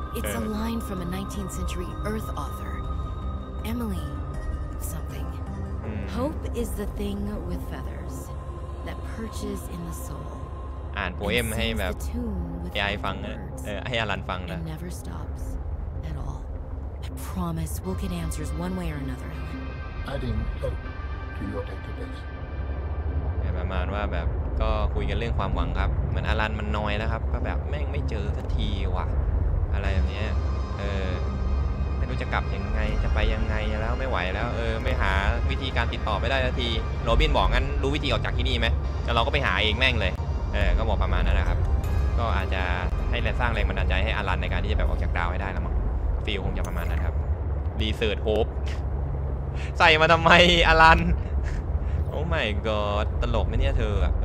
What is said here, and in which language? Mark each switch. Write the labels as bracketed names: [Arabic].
[English] It's a line from a 19th century Earth author. Emily something. Hope is the thing with feathers that perches in the soul. [Thai] อ่านโพเอมให้แบบให้ไอ้ฟังให้อลันฟังนะ [English] It never stops at all. I promise we'll get answers one way or another. Adding hope to your database. [Thai] ประมาณว่าแบบก็คุยกันเรื่องความหวังครับเหมือนอลันมันน้อยแล้วครับก็แบบแม่งไม่เจอสักทีว่ะอะไรแบบนี้ ไม่รู้จะกลับยังไงจะไปยังไงแล้วไม่ไหวแล้วไม่หาวิธีการติดต่อไม่ได้สักทีโรบินบอกงั้นรู้วิธีออกจากที่นี่ไหมแต่เราก็ไปหาเองแม่งเลยก็บอกประมาณนั้นนะครับก็อาจจะให้แรงสร้างแรงบันดาลใจให้อลันในการที่จะแบบออกจากดาวให้ได้แล้วมั้งฟีลคงจะประมาณนั้นครับรีเสิร์ชโฮปใส่มาทำไมอลันโอ้ [English] my god [Thai] ตลกไหมเนี่ยเธอ